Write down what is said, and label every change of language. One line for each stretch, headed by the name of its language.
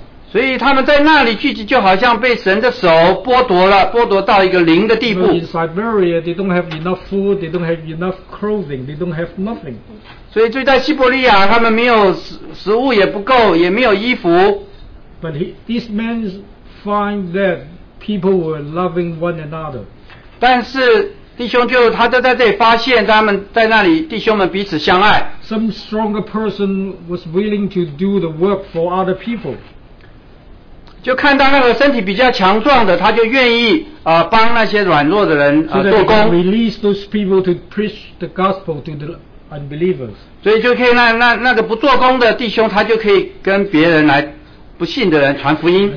Chinese: 所以他们在那里聚集就好像被神的手剥夺到一个零的地步
English: In Siberia they don't have enough food they don't have enough clothing they don't have nothing
Chinese: 所以就在西伯利亚他们没有食物也不够也没有衣服
English: But these men find that people were loving one another
Chinese: 但是弟兄就他就在这里发现他们在那里弟兄们彼此相爱
English: Some stronger person was willing to do the work for other people
Chinese: 就看到那个身体比较强壮的，他就愿意帮那些软弱的人做工。
English: So that he can release those people to preach the gospel to the unbelievers.
Chinese: 所以就可以那个不做工的弟兄，他就可以跟别人来不信的人传福音。